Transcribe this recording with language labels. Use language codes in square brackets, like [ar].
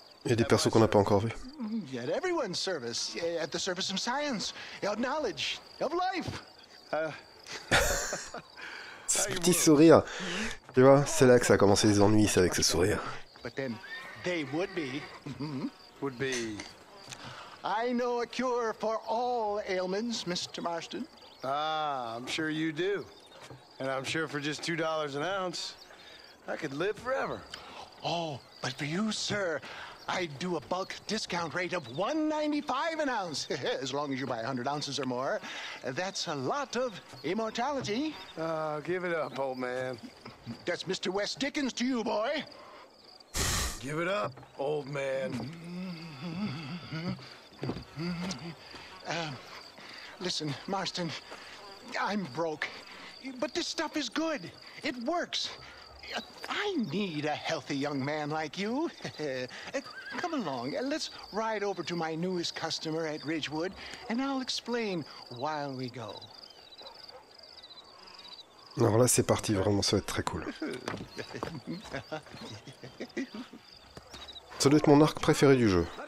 [fr] Il y a des persos qu'on n'a pas encore vus. [en] At everyone's service, at the service of science, of knowledge, of life. [fr] Ce petit sourire, tu vois, c'est là que ça a commencé les ennuis, c'est avec ce sourire. [en] But then, they would be. Would be. I know a cure for all ailments, Mr. Marston. Ah, I'm sure you do. And I'm sure for just $2 an ounce, I could live forever. Oh, but for you, sir. I do a bulk discount rate of $1.95 an ounce, as long as you buy 100 ounces or more. That's a lot of immortality. Oh, give it up, old man. That's Mr. West Dickens to you, boy. Give it up, old man. Listen, Marston, I'm broke. But this stuff is good. It works. I need a healthy young man like you. Come along, and let's ride over to my newest customer at Ridgewood, and I'll explain while we go. [fr] Alors là, c'est parti, vraiment, ça va être très cool. Ça doit être mon arc préféré du jeu.